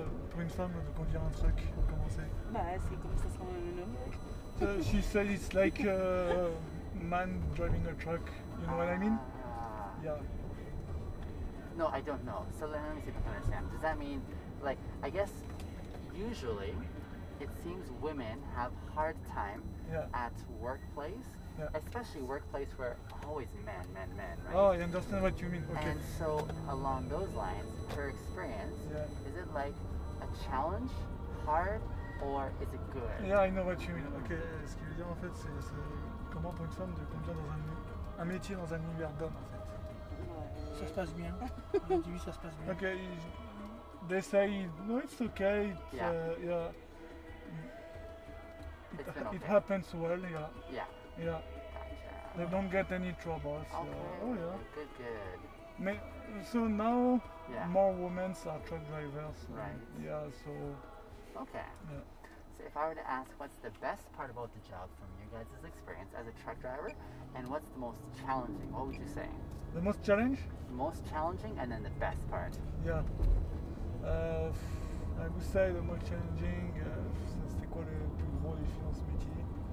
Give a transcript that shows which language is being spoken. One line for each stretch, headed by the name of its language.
French: Pour une femme de conduire un truck, comment c'est? Bah, c'est comme ça sent un homme.
English: She said it's like a man driving a truck. You know what I mean? Yeah. No, I don't know. So let me see if I can understand. Does that mean, like, I guess usually it seems women have hard time at workplace, especially workplace where always men, right? Oh, I understand what you mean. Okay. And so along those lines, her experience, is it like a challenge, hard, or is it good? Yeah, I know what you mean.
French: Okay, ce qu'il veut dire en fait, c'est comment pour une femme de conduire dans un métier dans un univers d'hommes, en fait. Ça se passe bien. Oui, ça se passe bien.
English: Okay, they say no, it's okay. It's, yeah. It happens well. Yeah. Yeah. Yeah. Gotcha. They don't get any troubles. Okay. Yeah. Oh yeah. Good. So now more women are truck drivers. Right. Yeah. So. Okay. Yeah. So if I were to ask, what's the best part about the job from your guys' experience as a truck driver, and what's the most challenging? What would you say? The most challenge? The most challenging, and then the best part. Yeah. I would say the most challenging.
French: C'était quoi le plus gros défi dans ce métier?